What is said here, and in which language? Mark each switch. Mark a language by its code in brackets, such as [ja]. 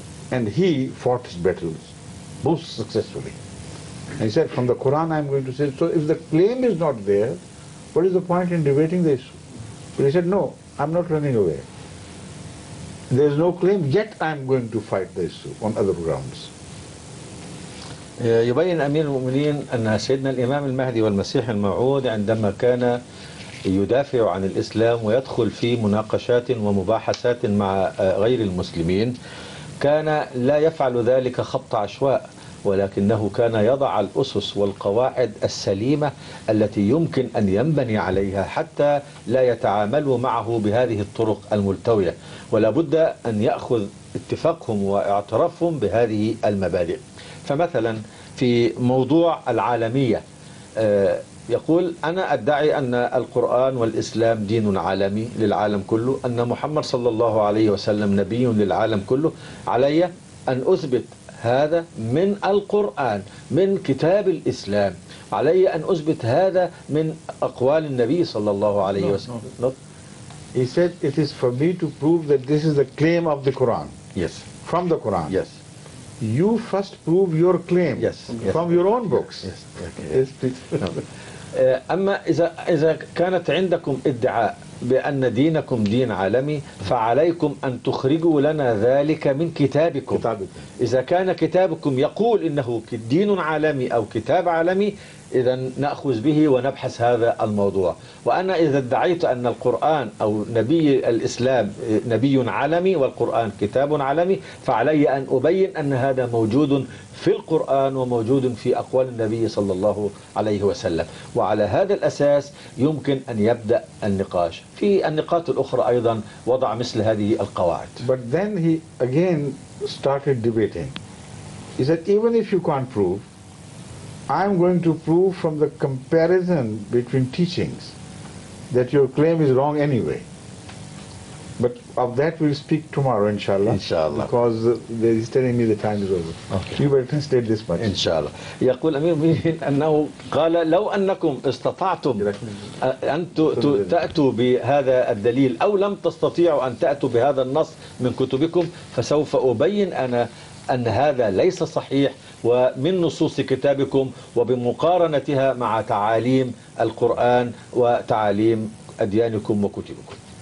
[en] And he fought his battles most successfully. And he said, from the Quran I am going to say, so if the claim is not there, what is the point in debating this? But he said, no, I'm not running away. There is no claim, yet I'm going to fight this on other grounds. [ar] يبين أمير المؤمنين أن سيدنا الإمام المهدي والمسيح الموعود عندما كان يدافع عن الإسلام ويدخل في مناقشات ومباحثات مع غير المسلمين كان لا يفعل ذلك خط عشواء، ولكنه كان يضع الأسس والقواعد السليمة التي يمكن أن ينبني عليها حتى لا يتعاملوا معه بهذه الطرق الملتوية، ولا بد أن يأخذ اتفاقهم واعترافهم بهذه المبادئ. فمثلا في موضوع العالمية يقول أنا أدعي أن القرآن والإسلام دين عالمي للعالم كله، أن محمد صلى الله عليه وسلم نبي للعالم كله، علي أن أثبت هذا من القرآن من كتاب الإسلام، علي أن أثبت هذا من أقوال النبي صلى الله عليه وسلم. [en] He said it is for me to prove that this is the claim of the Quran. Yes. From the Quran. Yes. You first prove your claim. Yes. From yes. your own books. Yes. Yes. Okay. Yes. [ar] أما إذا كانت عندكم ادعاء بأن دينكم دين عالمي فعليكم أن تخرجوا لنا ذلك من كتابكم. إذا كان كتابكم يقول إنه دين عالمي أو كتاب عالمي إذا نأخذ به ونبحث هذا الموضوع. وأنا إذا ادعيت أن القرآن أو نبي الإسلام نبي عالمي والقرآن كتاب عالمي، فعلي أن أبين أن هذا موجود في القرآن وموجود في أقوال النبي صلى الله عليه وسلم، وعلى هذا الأساس يمكن أن يبدأ النقاش. في النقاط الأخرى أيضا وضع مثل هذه القواعد. [en] But then he again started debating. He said, even if you can't prove, I'm going to prove from the comparison between teachings that your claim is wrong anyway. But of that we'll speak tomorrow, inshallah. Inshallah. Because he's telling me the time is over. Okay. You better state this much. Inshallah. [ar] يقول أمير المؤمنين أنه قال لو أنكم استطعتم أن تأتوا بهذا الدليل أو لم تستطيعوا أن تأتوا بهذا النص من كتبكم، فسوف أبين أنا أن هذا ليس صحيح ومن نصوص كتابكم وبمقارنتها مع تعاليم القرآن وتعاليم أديانكم وكتبكم.